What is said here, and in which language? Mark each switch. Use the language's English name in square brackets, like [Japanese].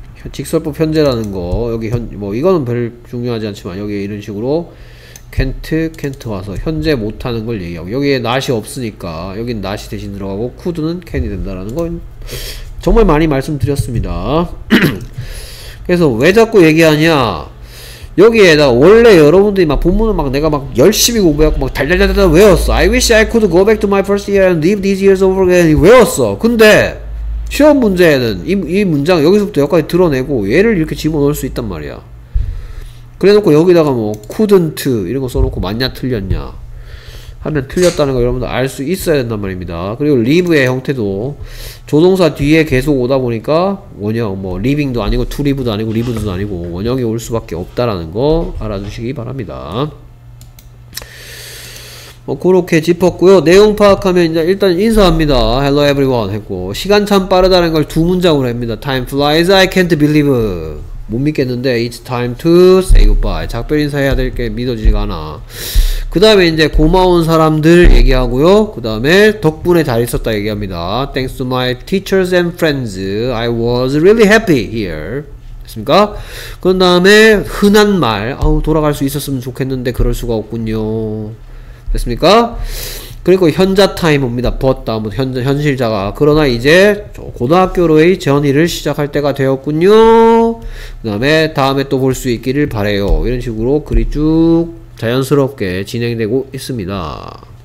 [Korean] 직설법 현재라는 거, 여기 현, 뭐 이거는 별 중요하지 않지만 여기 이런 식으로 can't 와서 현재 못하는 걸 얘기하고, 여기에 not이 없으니까 여긴 not이 대신 들어가고 could는 can이 된다라는 건 정말 많이 말씀드렸습니다. 그래서 왜 자꾸 얘기하냐, 여기에다 원래 여러분들이 막 본문을 막 내가 막 열심히 공부해갖고 막 달달달달 외웠어. [English] I wish I could go back to my first year and live these years over again [Korean] 외웠어. 근데 시험 문제에는 이 문장 여기서부터 여기까지 드러내고 얘를 이렇게 집어넣을 수 있단 말이야. 그래놓고 여기다가 뭐 couldn't 이런 거 써놓고 맞냐 틀렸냐 하면 틀렸다는 걸 여러분들 알 수 있어야 된단 말입니다. 그리고 live의 형태도 조동사 뒤에 계속 오다 보니까 원형 뭐 living도 아니고 to live도 아니고 live도 아니고 원형이 올 수밖에 없다라는 거 알아주시기 바랍니다. 뭐 그렇게 짚었고요. 내용 파악하면 이제 일단 인사합니다. [English] Hello everyone [Korean] 했고, 시간 참 빠르다는 걸 두 문장으로 합니다. [English] Time flies, I can't believe. [Korean] 못 믿겠는데 [English] It's time to say goodbye. [Korean] 작별 인사해야 될 게 믿어지지가 않아. 그 다음에 이제 고마운 사람들 얘기하고요. 그 다음에 덕분에 잘 있었다 얘기합니다. [English] Thanks to my teachers and friends, I was really happy here. [Korean] 됐습니까? 그 다음에 흔한 말, 아우 돌아갈 수 있었으면 좋겠는데 그럴 수가 없군요. 됐습니까? 그리고 현자 타임 옵니다. 벗다 뭐 현실자가. 그러나 이제 고등학교로의 전의를 시작할 때가 되었군요. 그 다음에 다음에 또 볼 수 있기를 바래요. 이런 식으로 글이 쭉 자연스럽게 진행되고 있습니다.